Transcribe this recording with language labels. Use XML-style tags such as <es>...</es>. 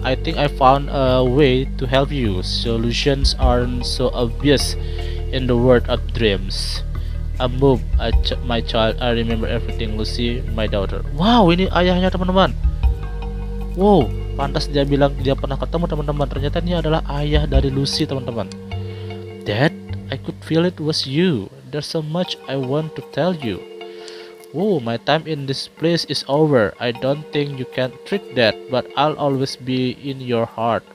<en>I think I found a way to help you. Solutions aren't so obvious in the world of dreams. A move, my child. I remember everything, Lucy, my daughter.</en> <id>Wow, ini ayahnya, teman-teman. Wow, pantas dia bilang dia pernah ketemu, teman-teman. Ternyata ini adalah ayah dari Lucy, teman-teman.</id> <en>Dad, I could feel it was you. There's so much I want to tell you. Whoa, my time in this place is over. I don't think you can treat that, but I'll always be in your heart.</en>